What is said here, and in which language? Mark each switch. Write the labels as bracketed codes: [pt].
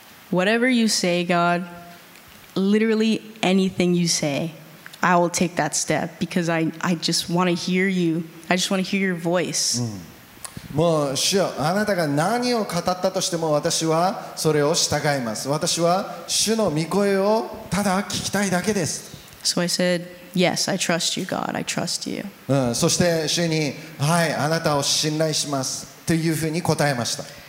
[en] Whatever you say, God, literally anything you say. I will take that step because I just want to hear you. I just want to hear your voice.、 [ja] もう主よ、あなたが何を語ったとしても私はそれを従います。私は主の御声をただ聞きたいだけです。 [en] So I said, yes, I trust you, God. I trust you.、 [ja] そして主に、はい、あなたを信頼しますというふうに答えました。